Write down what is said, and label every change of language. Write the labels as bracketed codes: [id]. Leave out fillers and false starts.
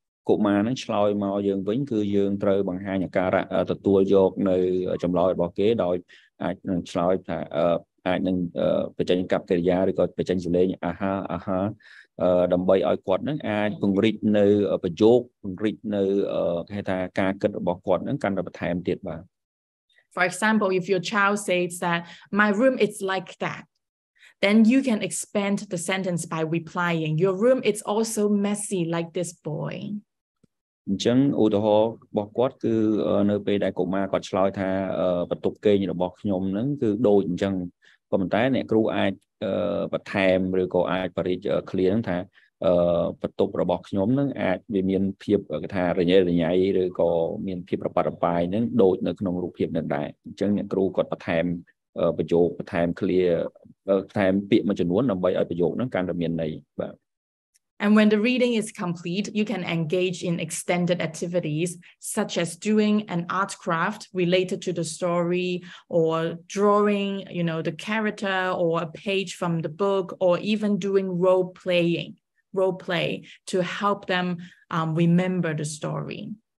[km] កុមារ នឹង ឆ្លើយ មក យើង វិញ គឺ យើង ត្រូវ បង្ហាញ អាការៈ ទទួល យក នៅ ចម្លើយ របស់ គេ ដោយ អាច នឹង ឆ្លើយ ថា អាចនឹង បញ្ចេញ កប កិរិយា ឬ ក៏ បញ្ចេញ សំឡេង អាហា អាហា ដើម្បី ឲ្យ គាត់ នឹង អាច ពង្រីក នៅ ប្រយោគ ពង្រីក នៅ គេ ថា ការ គិត របស់ គាត់ នឹង កាន់តែ បន្ថែម ទៀត បាទ [en] For example, if your child says that my room is like that, then you can expand the sentence by replying, your room is also messy like this boy. [km] អញ្ចឹង ឧទាហរណ៍ របស់ គាត់ គឺ នៅ ពេល ដែល កុមារ គាត់ ឆ្លើយ ថា បន្ទប់ គេង របស់ ខ្ញុំ នឹង គឺ ដូច អញ្ចឹង ក៏ ប៉ុន្តែ អ្នក គ្រូ អាច បន្ថែម ឬ ក៏ អាច បរិយាយ clear នឹង ថា បន្ទប់ របស់ ខ្ញុំ នឹង អាច វា មាន ភាព គេ ថា រញ៉េ រញ៉ៃ ឬ ក៏ មាន ភាព ប្របាត់ ប្របាយ នឹង ដូច នៅ ក្នុង រូប ភាព នឹង ដែរ អញ្ចឹង អ្នក គ្រូ គាត់ បន្ថែម ប្រយោគ បន្ថែម clear បន្ថែម ពាក្យ មួយ ចំនួន ដើម្បី ឲ្យ ប្រយោគ នឹង កាន់តែ មាន ន័យ បាទ [en] And when the reading is complete, you can engage in extended activities such as doing an art craft related to the story or drawing, you know, the character or a page from the book or even doing role play to help them remember the story.